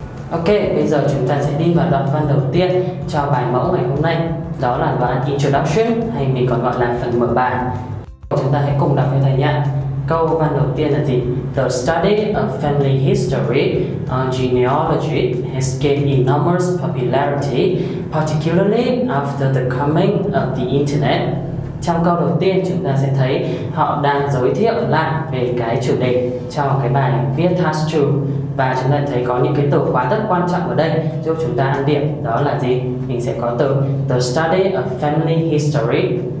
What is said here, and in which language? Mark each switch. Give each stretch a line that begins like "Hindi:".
Vietnamese: Ok, bây giờ chúng ta sẽ đi vào đoạn văn đầu tiên cho bài mẫu ngày hôm nay. Đó là đoạn introduction, hay mình còn gọi là phần mở bài. Chúng ta hãy cùng đọc với thầy nhé. Câu văn đầu tiên là gì?
English: The study of family history or genealogy has gained enormous popularity, particularly after the coming of the internet.
Vietnamese: Trong câu đầu tiên chúng ta sẽ thấy họ đang giới thiệu lại về cái chủ đề cho cái bài viết task 2. Và chúng ta thấy có những cái từ khóa rất quan trọng ở đây giúp chúng ta ăn điểm. Đó là gì? Mình sẽ có từ
English: The study of family history.